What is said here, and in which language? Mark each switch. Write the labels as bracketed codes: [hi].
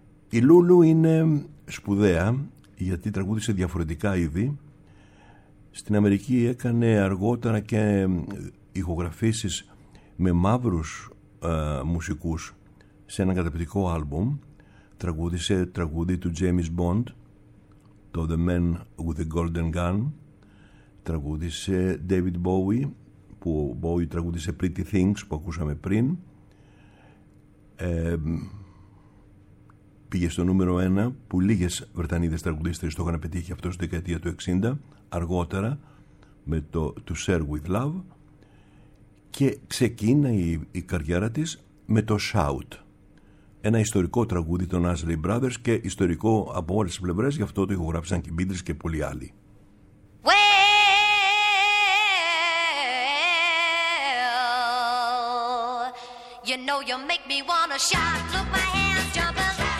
[el] Η Λούλου είναι σπουδαία γιατί τραγούδισε διαφορετικά είδη. Στην Αμερική έκανε αργότερα και ηχογραφήσεις με μαύρους μουσικούς σε ένα καταπληκτικό άλμπουμ. Τραγούδισε τραγούδι του James Bond, το The Man with the Golden Gun. Τραγούδισε David Bowie, που ο Bowie τραγούδισε Pretty Things που ακούσαμε πριν. Πήγε στο νούμερο 1 που λίγες Βρετανίδες τραγουδίστρες το είχαν πετύχει αυτό στη δεκαετία του 60, αργότερα με το To Share With Love. Και ξεκίνει η καριέρα της με το Shout, ένα ιστορικό τραγούδι των Ashley Brothers και ιστορικό από όλες τις πλευρές, γι' αυτό το ηχογράφησαν και οι Beatles και πολλοί άλλοι. [en] Well, you know you make me wanna shout. Look my hands jumping.